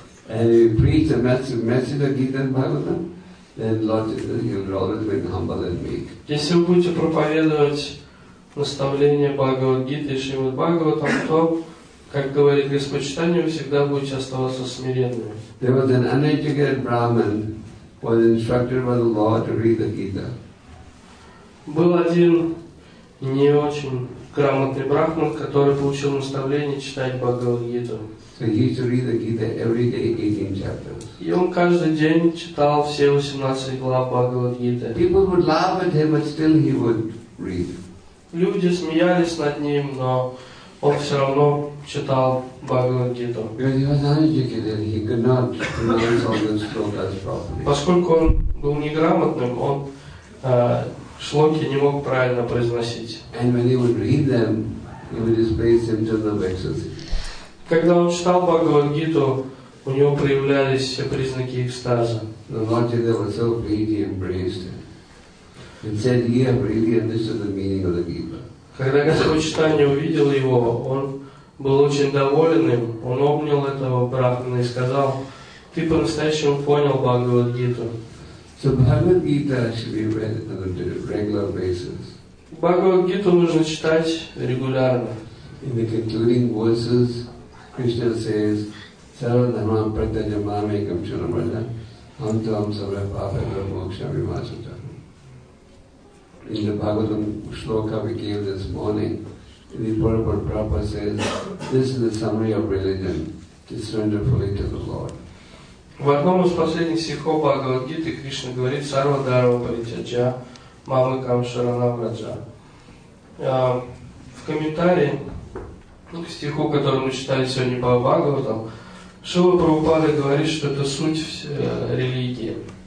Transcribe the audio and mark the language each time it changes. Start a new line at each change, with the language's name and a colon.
English: And if you preach the message of Gita and Bhagavatam, then Lord, you will always be humble and meek.
Russian: Если вы будете проповедовать наставления Бхагавад-гиты и Шримад Бхагаватам, то, как говорит Господь Читания, вы всегда будете оставаться смиренными.
English: There was an uneducated Brahmin who was instructed by the Lord to read the Gita.
Russian: Был один не очень грамотный брахман, который получил наставление читать Бхагавад-гиту.
English: So he used to read the Gita every day, 18 chapters.
Russian: И он каждый день читал все 18 глав Бхагавад-гиты.
English: People would laugh at him, but still he would read.
Russian: Люди смеялись над ним, но он все равно читал Бхагавад-гиту.
English: Because he was uneducated, he could not pronounce all the shlokas properly.
Russian: Поскольку он был неграмотным, он шлоки не мог правильно произносить.
English: And when he would read them, he would display symptoms of ecstasy.
Russian: Когда он читал Бхагавад-гиту, у него проявлялись все признаки экстаза.
English: The Lord Chaitanya was so pleased, embraced him. And said, you have really understood the meaning of the Gita.
Russian: Когда Господь Читания увидел его, он был очень доволен им. Он обнял этого брахмана и сказал, ты по-настоящему понял Бхагавад-гиту.
English: So Bhagavad-gita should be read on a regular basis.
Russian: Бхагавад-гиту нужно читать регулярно.
English: In the concluding verses, Krishna says,
Sanskrit: Saradharmam Pratyajamame Kamchana Vrata Antam Savra Pāpaya Moksha Vimāsata.
English: In the Bhagavatam Shloka we gave this morning, the Purport Prabhupada says, this is the summary of religion, to surrender fully to the Lord.
Russian: В одном из последних стихов Бхагавад-гиты Кришна говорит,
Sanskrit: Саравадарва Паритяджа Мамы Камшарана Враджа.
Russian: В комментарии к стиху, который мы читали сегодня по Бхагаватам, Шрила Прабхупада говорит, что это суть религии.